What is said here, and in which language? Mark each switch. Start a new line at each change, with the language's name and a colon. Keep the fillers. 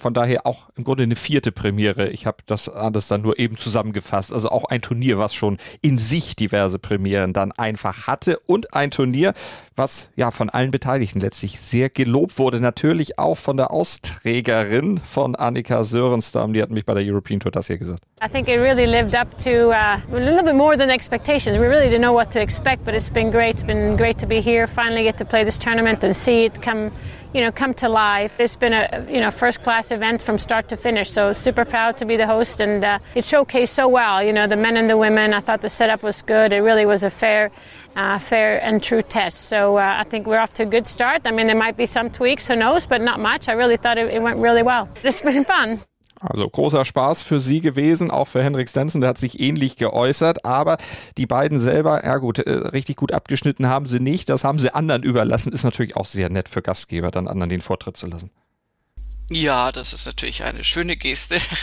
German: Von daher auch im Grunde eine vierte Premiere. Ich habe das alles dann nur eben zusammengefasst. Also auch ein Turnier, was schon in sich diverse Premieren dann einfach hatte. Und ein Turnier, was ja von allen Beteiligten letztlich sehr gelobt wurde. Natürlich auch von der Austrägerin von Annika Sörenstam. Die hat mich bei der European Tour das hier gesagt.
English: I think it really lived up to uh, a little bit more than expectations. We really didn't know what to expect, but it's been great. It's been great to be here, finally get to play this tournament and see it come. you know, come to life. It's been a you know first class event from start to finish. So super proud to be the host, and uh, it showcased so well. You know, the men and the women. I thought the setup was good. It really was a fair, uh, fair and true test. So uh, I think we're off to a good start. I mean, there might be some tweaks, who knows? But not much. I really thought it, it went really well. It's been fun.
German: Also großer Spaß für Sie gewesen, auch für Henrik Stenson, der hat sich ähnlich geäußert, aber die beiden selber, ja gut, richtig gut abgeschnitten haben sie nicht, das haben sie anderen überlassen, ist natürlich auch sehr nett für Gastgeber, dann anderen den Vortritt zu lassen. Ja, das ist natürlich eine schöne Geste.